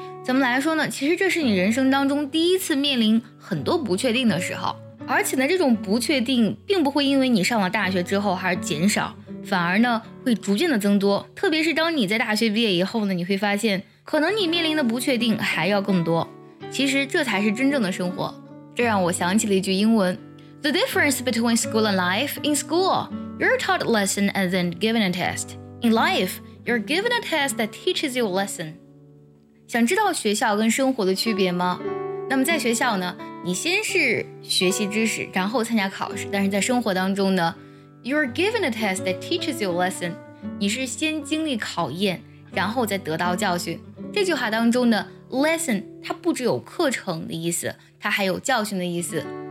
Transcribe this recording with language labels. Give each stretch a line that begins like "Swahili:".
Chinese: 怎么来说呢，其实这是你人生当中第一次面临很多不确定的时候，而且呢这种不确定并不会因为你上了大学之后还是减少，反而呢会逐渐的增多。特别是当你在大学毕业以后呢，你会发现可能你面临的不确定还要更多。其实这才是真正的生活。这让我想起了一句英文，
English: The difference between school and life. In school, you're taught a lesson and then given a test. In life, you're given a test that teaches you a lesson.
Chinese: 想知道学校跟生活的区别吗？那么在学校呢，你先是学习知识，然后参加考试，但是在生活当中呢，
English: You're given a test that teaches you a lesson.
Chinese: 你是先经历考验，然后再得到教训。这句话当中的 lesson 它不只有课程的意思，它还有教训的意思。